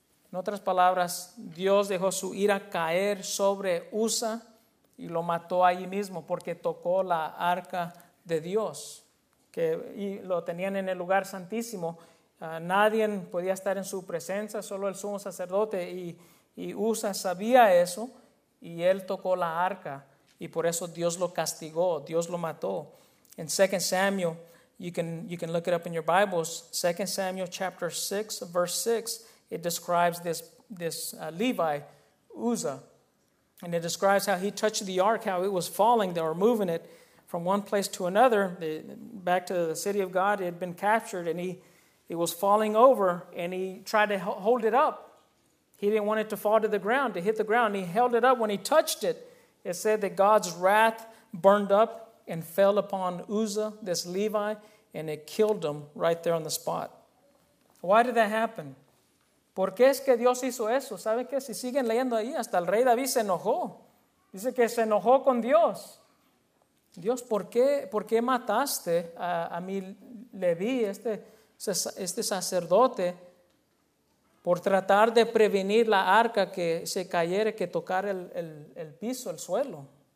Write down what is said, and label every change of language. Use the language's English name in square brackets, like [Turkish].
[Spanish] En otras palabras, Dios dejó su ira caer sobre Usa y lo mató allí mismo porque tocó la arca de Dios, y lo tenían en el lugar santísimo. Nadie podía estar en su presencia, solo el sumo sacerdote, y Usa sabía eso, y él tocó la arca, y por eso Dios lo castigó, Dios lo mató. [English] En 2 Samuel, you can look it up in your Bibles, 2 Samuel chapter 6, verse 6, it describes this Levi, Usa, and it describes how he touched the ark, how it was falling, they were moving it from one place to another, back to the city of God. It had been captured, and he was falling over, and he tried to hold it up. He didn't want it to fall to the ground, to hit the ground. He held it up. When he touched it, it said that God's wrath burned up and fell upon Uzza, this Levi, and it killed him right there on the spot. Why did that happen? [Spanish] ¿Por qué es que Dios hizo eso? ¿Saben qué? Si siguen leyendo ahí, hasta el rey David se enojó. Dice que se enojó con Dios. Dios, ¿por qué mataste a mi Leví, este sacerdote, por tratar de prevenir la arca que se cayera, que tocara el piso, el suelo?